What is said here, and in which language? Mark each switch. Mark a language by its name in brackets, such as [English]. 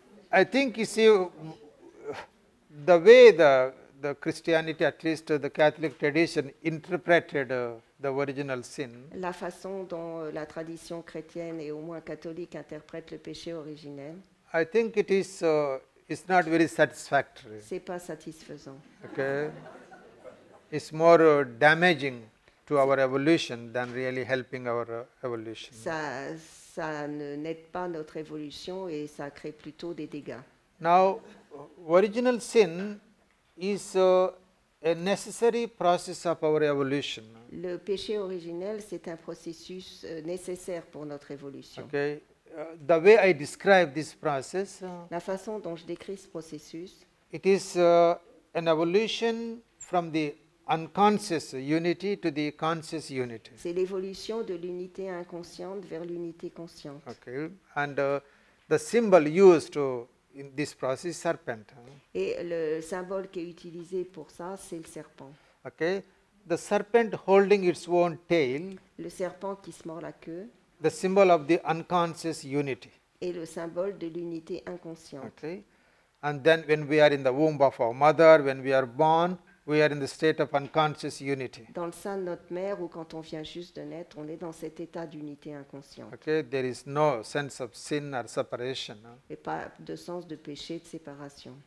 [English] I think, you see, the way the Christianity, at least the Catholic tradition, interpreted the original sin. [French] La façon dont la tradition chrétienne et au moins catholique interprète le péché originel. [English] I think it is it's not very satisfactory. [French] C'est pas satisfaisant. [English] Okay. It's more damaging to our evolution than really helping our evolution. [French] Ça ne n'aide pas notre évolution et ça crée plutôt des dégâts. [English] Now, original sin is a necessary process of our evolution. [French] Le péché originel, c'est un processus nécessaire pour notre évolution. [English] Okay. The way I describe this process. [French] La façon dont je décris ce processus. [English] It is an evolution from the unconscious unity to the conscious unity. [French] C'est l'évolution de l'unité inconsciente vers l'unité consciente. [English] Okay. And the symbol used to in this process is serpent. [French] Et le symbole qui est utilisé pour ça, c'est le serpent. [English] Okay. The serpent holding its own tail. [French] Le serpent qui se mord la queue. [English] The symbol of the unconscious unity. [French] Et le symbole de l'unité inconsciente. [English] Okay. And then when we are in the womb of our mother, when we are born, We are in the state of unconscious unity. [French] Dans le sein de notre mère ou quand on vient juste de naître, on est dans cet état d'unité inconsciente. [English] Okay, there is no sense of sin or separation. [French] Et pas de sens de péché, de séparation.